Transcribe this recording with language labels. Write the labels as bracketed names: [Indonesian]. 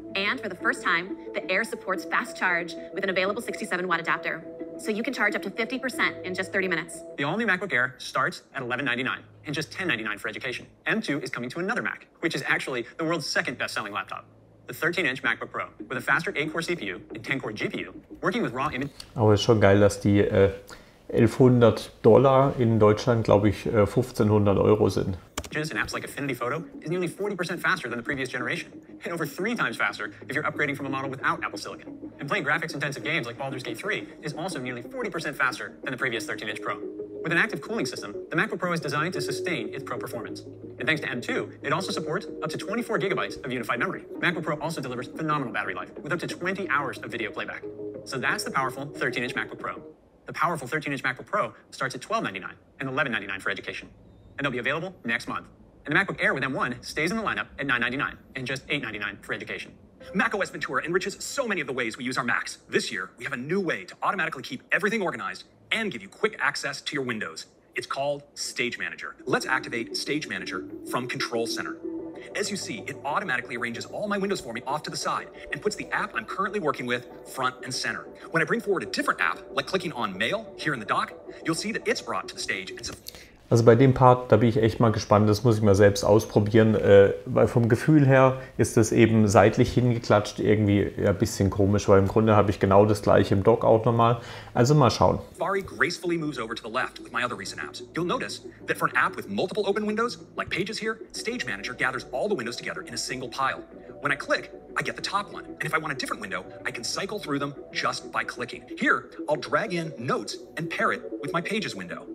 [English] And for the first time, the Air supports fast charge with an available 67-watt adapter, so you can charge up to 50% in just 30 minutes. The all-new MacBook Air starts at $1,199 and just $1,099 for education. M2 is coming to another Mac, which is actually the world's second best-selling laptop. The 13-inch MacBook Pro with a faster 8-core CPU and 10-core GPU, working with raw image... [German] Aber ist schon geil, dass die $1,100 in Deutschland, glaube ich, 1500 Euro sind. [English] ...in apps like Affinity Photo is nearly 40% faster than the previous generation, and over 3 times faster if you're upgrading from a model without Apple Silicon. And playing graphics-intensive games like Baldur's Gate 3 is also nearly 40% faster than the previous 13-inch Pro. With an active cooling system, the MacBook Pro is designed to sustain its Pro performance. And thanks to M2, it also supports up to 24 gigabytes of unified memory. MacBook Pro also delivers phenomenal battery life with up to 20 hours of video playback. So that's the powerful 13-inch MacBook Pro. The powerful 13-inch MacBook Pro starts at $1,299 and $1,199 for education. And they'll be available next month. And the MacBook Air with M1 stays in the lineup at $999 and just $899 for education. MacOS Ventura enriches so many of the ways we use our Macs. This year, we have a new way to automatically keep everything organized and give you quick access to your windows. It's called Stage Manager. Let's activate Stage Manager from Control Center. As you see, it automatically arranges all my windows for me off to the side and puts the app I'm currently working with front and center. When I bring forward a different app, like clicking on Mail here in the dock, you'll see that it's brought to the stage. [German] Also bei dem Part, da bin ich echt mal gespannt, das muss ich mal selbst ausprobieren, weil vom Gefühl her ist das eben seitlich hingeklatscht irgendwie ein bisschen komisch, weil im Grunde habe ich genau das gleiche im Dock auch nochmal. Also mal schauen. [English] Safari gracefully moves over to the left with my other recent apps. You'll notice that for an app with multiple open windows, like Pages here, Stage Manager gathers all the windows together in a single pile. When I click, I get the top one. And if I want a different window, I can cycle through them just by clicking. Here, I'll drag in Notes and pair it with my Pages window.